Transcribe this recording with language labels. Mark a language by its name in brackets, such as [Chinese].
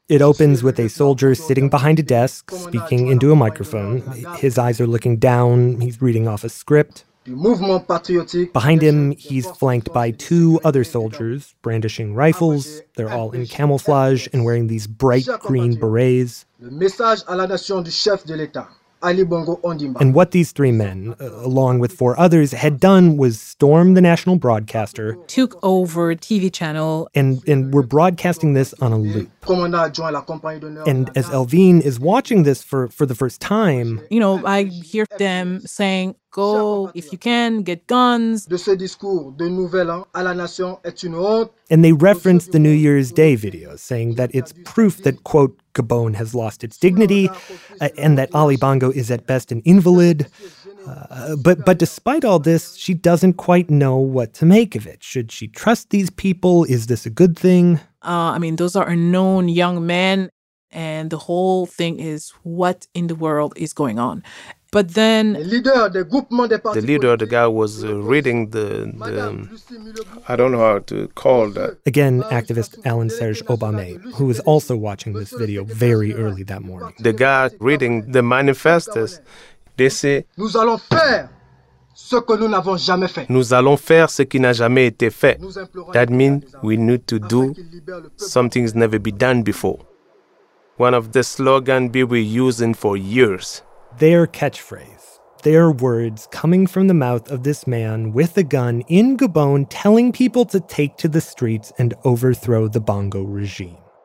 [English] It opens with a soldier sitting behind a desk, speaking into a microphone. His eyes are looking down. He's reading off a script. Behind him, he's flanked by two other soldiers, brandishing rifles. They're all in camouflage and wearing these bright green berets. [French] Le message à la nation du chef de l'État, Ali Bongo Ondimba. [English] And what these three men, along with four others, had done was storm the national broadcaster, took over TV channel, and were broadcasting this on a loop. [French] Commandant adjoint, la compagnie d'honneur. [English] And as Elvine is watching this for the first time, you know, I hear them saying, go, if you can, get guns. [French] De ce discours de nouvel an à la nation est une honte. [English] And they reference the New Year's Day video, saying that it's proof that, quote, Gabon has lost its dignity, and that Ali Bongo is at best an invalid. But despite all this, she doesn't quite know what to make of it. Should she trust these people? Is this a good thing? I mean, those are unknown young men, and the whole thing is, what in the world is going on? But then the leader of the guy was reading the I don't know how to call that. Again, activist Alain-Serge Obame, who was also watching this video very early that morning. The guy reading the manifestos, they say, [French] nous allons faire ce que nous n'avons jamais fait. Nous allons faire ce qui n'a jamais été fait. [English] That means we need to do something that's never been done before. One of the slogans we've been using for years. Their catchphrase. Their words coming from the mouth of this man with a gun in Gabon telling people to take to the streets and overthrow the Bongo regime.